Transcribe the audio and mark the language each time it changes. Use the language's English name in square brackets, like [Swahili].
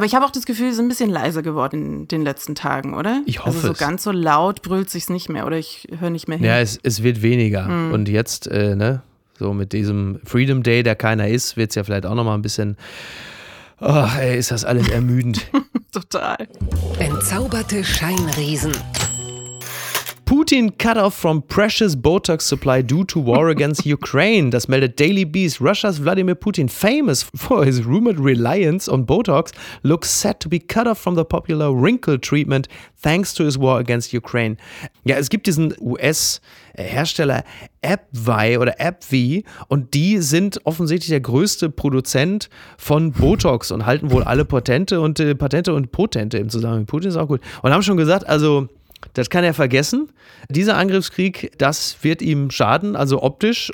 [German] Aber ich habe auch das Gefühl, sie sind ein bisschen leiser geworden in den letzten Tagen, oder? Ich hoffe es. Also so ganz so laut brüllt sich's nicht mehr oder ich höre nicht mehr hin. Ja, es wird weniger. Mhm. Und jetzt, ne, so mit diesem Freedom Day, der keiner ist, wird es ja vielleicht auch nochmal ein bisschen, ach, ey, ist das alles ermüdend. Total. Entzauberte Scheinriesen. [English] Putin cut off from precious Botox supply due to war against Ukraine. [German] Das meldet Daily Beast. [English] Russia's Vladimir Putin, famous for his rumored reliance on Botox, looks set to be cut off from the popular wrinkle treatment thanks to his war against Ukraine. [German] Ja, es gibt diesen US-Hersteller AbbVie oder AbbVie und die sind offensichtlich der größte Produzent von Botox und halten wohl alle Patente im Zusammenhang mit Putin, ist auch gut. Und haben schon gesagt, also... Das kann er vergessen. Dieser Angriffskrieg, das wird ihm schaden, also optisch.